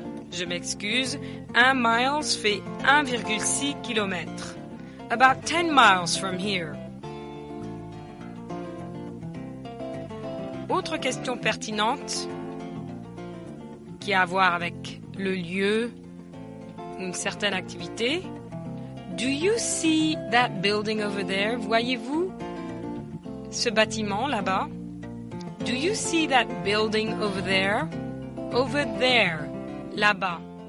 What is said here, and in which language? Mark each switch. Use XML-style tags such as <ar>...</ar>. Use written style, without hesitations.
<fr>Je m'excuse, 1 mile fait 1,6 km.</fr> <en>About 10 miles from here.</en> <fr>Autre question pertinente qui a à voir avec le lieu, une certaine activité.</fr> <en>Do you see that building over there?</en> <fr>Voyez-vous ce bâtiment là-bas?</fr> <en>Do you see that building over there? Over there,</en> <fr>là-bas.</fr>